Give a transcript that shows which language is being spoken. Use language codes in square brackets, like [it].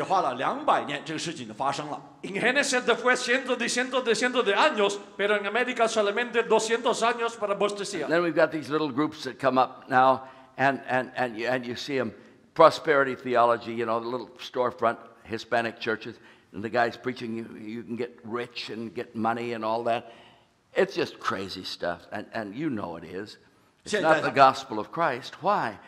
[zh] 在挪亚时代，他们花了几百年发生的事情，但是在美国呢，只花了200年，这个事情就发生了。 [es] En Génesis fue cientos y cientos y cientos de años, pero en América solamente 200 años para apostasía. [en] Then we've got these little groups that come up now, and you see them, prosperity theology, you know, the little storefront Hispanic churches, and the guys preaching you can get rich and get money and all that. It's just crazy stuff, and you know it is. It's not the gospel of Christ. Why?